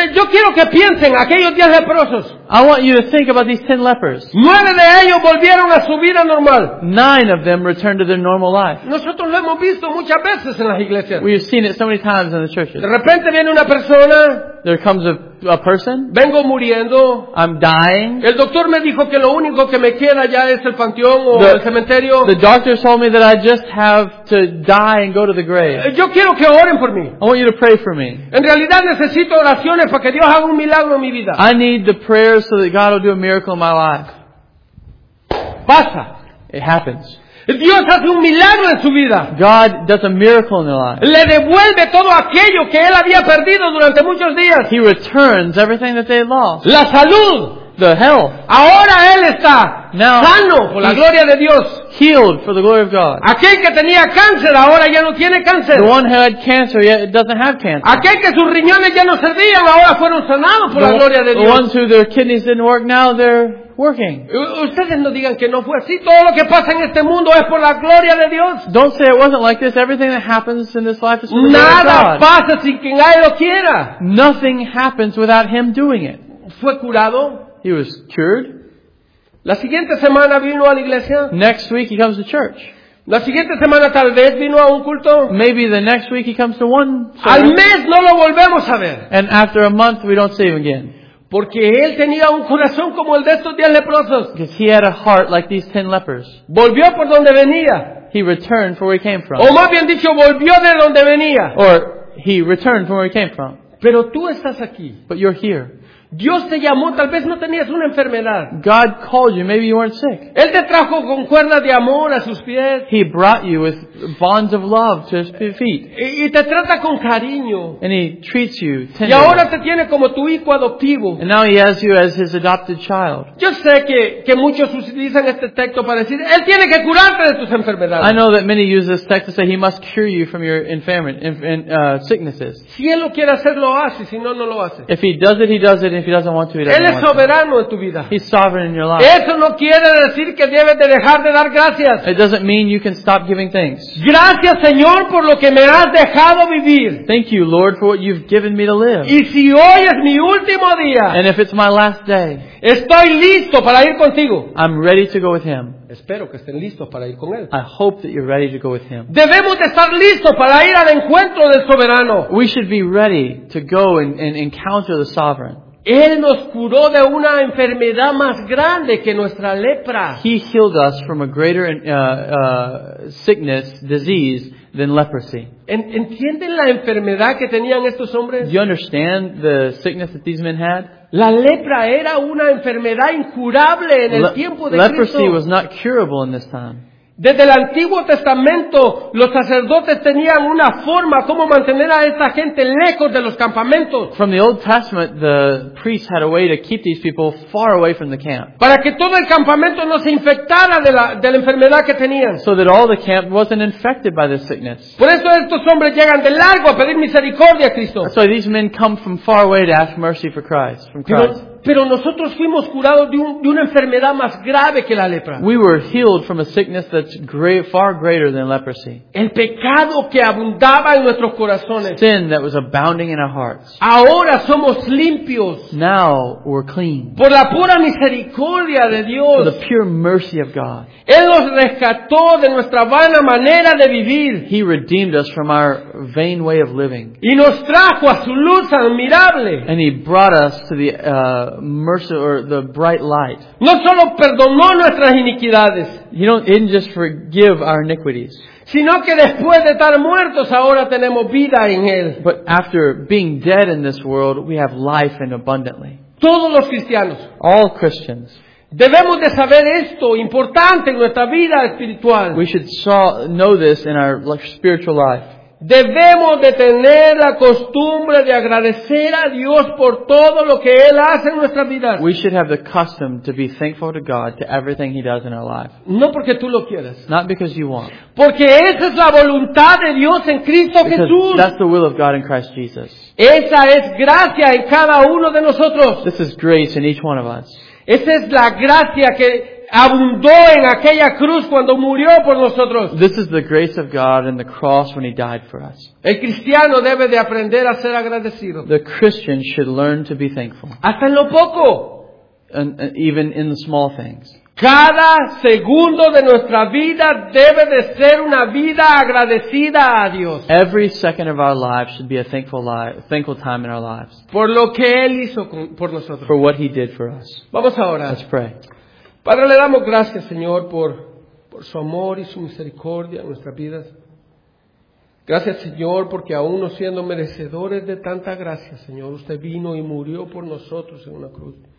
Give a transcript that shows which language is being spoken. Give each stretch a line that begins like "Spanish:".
Spanish: Yo quiero que piensen aquellos 10 leprosos.
English: I want you to think about these 10 lepers.
Spanish: 9 de ellos volvieron a su vida normal.
English: 9 of them returned to their normal life.
Spanish: Nosotros lo hemos visto muchas veces en las iglesias.
English: We have seen it so many times in the churches.
Spanish: De repente viene una persona.
English: There comes a person.
Spanish: Vengo muriendo.
English: I'm dying.
Spanish: El doctor me dijo que lo único que me queda ya es el panteón o el cementerio.
English: The doctor told me that I just have to die and go to the grave.
Spanish: Yo quiero que oren por mí.
English: I want you to pray for me.
Spanish: En realidad necesito oraciones para que Dios haga un milagro en mi vida.
English: I need the prayers so that God will do a miracle in my life.
Spanish: Pasa.
English: It happens.
Spanish: Dios hace un milagro en su vida.
English: God does a miracle in their life.
Spanish: Le devuelve todo aquello que él había perdido durante muchos días.
English: He returns everything that they lost.
Spanish: La salud.
English: The health.
Spanish: Ahora él está
English: now,
Spanish: sano por la gloria de Dios.
English: Healed for the glory of God.
Spanish: Aquel que tenía cáncer ahora ya no tiene cáncer.
English: The one who had cancer yet doesn't have cancer.
Spanish: Aquel que sus riñones ya no servían ahora fueron sanados por la gloria de Dios.
English: The ones who their kidneys didn't work now they're working.
Spanish: Ustedes no digan que no fue así. Todo lo que pasa en este mundo es por la gloria de Dios.
English: Don't say it wasn't like this. Everything that happens in this life is for the glory of God.
Spanish: Nada pasa sin que nadie lo quiera.
English: Nothing happens without Him doing it.
Spanish: Fue curado.
English: He was cured.
Spanish: La siguiente semana vino a la iglesia.
English: Next week he comes to church.
Spanish: La siguiente semana tal vez vino a un culto.
English: Maybe the next week he comes to one service.
Spanish: Al mes no lo volvemos a ver.
English: And after a month we don't see him again.
Spanish: Porque él tenía un corazón como el de estos 10 leprosos.
English: Because he had a heart like these 10 lepers.
Spanish: Volvió por donde venía.
English: He returned from where he came from.
Spanish: O más bien dicho, volvió de donde venía.
English: Or he returned from where he came from.
Spanish: Pero tú estás aquí.
English: But you're here.
Spanish: Dios te llamó, tal vez no tenías una enfermedad.
English: God called you, maybe you weren't sick.
Spanish: Él te trajo con cuerdas de amor a sus pies.
English: He brought you with bonds of love to his feet.
Spanish: Y te trata con cariño.
English: And he treats you tenderly.
Spanish: Y ahora te tiene como tu hijo adoptivo.
English: And now he has you as his adopted child.
Spanish: Yo sé que muchos utilizan este texto para decir, él tiene que curarte de tus enfermedades.
English: I know that many use this text to say he must cure you from your sicknesses.
Spanish: Si él lo quiere hacer, lo hace. Si no, no lo hace.
English: If he does it, he does it. If he doesn't want to, he doesn't
Spanish: Él es soberano en tu vida.
English: He's sovereign in your life.
Spanish: Eso no quiere decir que debes de dejar de dar gracias.
English: It doesn't mean you can stop giving thanks.
Spanish: Gracias, Señor, por lo que me has dejado vivir.
English: Thank you, Lord, for what you've given me to live.
Spanish: Y si hoy es mi último día,
English: and if it's my last day,
Spanish: estoy listo para ir contigo.
English: I'm ready to go with him.
Spanish: Espero que estén listos para ir con él.
English: I hope that you're ready to go with him.
Spanish: Debemos de estar listos para ir al encuentro del soberano.
English: We should be ready to go and encounter the sovereign.
Spanish: Él nos curó de una enfermedad más grande que nuestra lepra.
English: He healed us from a greater sickness, disease than leprosy.
Spanish: ¿Entienden la enfermedad que tenían estos hombres?
English: Do you understand the sickness that these men had?
Spanish: La lepra era una enfermedad incurable en el tiempo de Cristo.
English: Leprosy was not curable in this time.
Spanish: Desde el Antiguo Testamento, los sacerdotes tenían una forma como mantener a esta gente lejos de los campamentos.
English: From the Old Testament, the priests had a way to keep these people far away from the camp.
Spanish: Para que todo el campamento no se infectara de la enfermedad que tenían.
English: So that all the camp wasn't infected by the sickness.
Spanish: Por eso estos hombres llegan de largo a pedir misericordia a Cristo.
English: So these men come from far away to ask mercy for Christ, from Christ.
Spanish: Pero nosotros fuimos curados de una enfermedad más grave que la lepra.
English: We were healed from a sickness that's far greater than leprosy.
Spanish: El pecado que abundaba en nuestros corazones.
English: Sin that was abounding in our hearts.
Spanish: Ahora somos limpios.
English: Now we're clean.
Spanish: Por la pura misericordia de Dios.
English: For the pure mercy of God.
Spanish: Él nos rescató de nuestra vana manera de vivir.
English: He redeemed us from our vain way of living.
Spanish: Y nos trajo a su luz admirable.
English: And he brought us to the mercy or the bright light.
Spanish: No solo perdonó nuestras iniquidades.
English: He didn't just forgive our iniquities.
Spanish: Sino que después de estar muertos ahora tenemos vida en él.
English: But after being dead in this world, we have life and abundantly.
Spanish: Todos los cristianos.
English: All Christians.
Spanish: Debemos de saber esto importante en nuestra vida espiritual.
English: We should know this in our spiritual life.
Spanish: Debemos de tener la costumbre de agradecer a Dios por todo lo que Él hace en nuestras vidas.
English: We should have the custom to be thankful to God to everything He does in our life.
Spanish: No porque tú lo quieres.
English: Not because you want.
Spanish: Porque esa es la voluntad de Dios en Cristo
English: because
Spanish: Jesús.
English: That's the will of God in Christ Jesus.
Spanish: Esa es gracia en cada uno de nosotros.
English: This is grace in each one of us.
Spanish: Esa es la gracia que abundó en aquella cruz cuando murió por nosotros.
English: This is the grace of God in the cross when He died for us.
Spanish: El cristiano debe de aprender a ser agradecido.
English: The Christian should learn to be thankful.
Spanish: Hasta en lo poco.
English: And even in the small things.
Spanish: Cada segundo de nuestra vida debe de ser una vida agradecida a Dios.
English: Every second of our lives should be a thankful life, thankful time in our lives.
Spanish: Por lo que Él hizo por nosotros.
English: For what He did for us.
Spanish: Vamos ahora.
English: Let's pray.
Spanish: Padre, le damos gracias, Señor, por su amor y su misericordia en nuestras vidas. Gracias, Señor, porque aún no siendo merecedores de tanta gracia, Señor, usted vino y murió por nosotros en una cruz.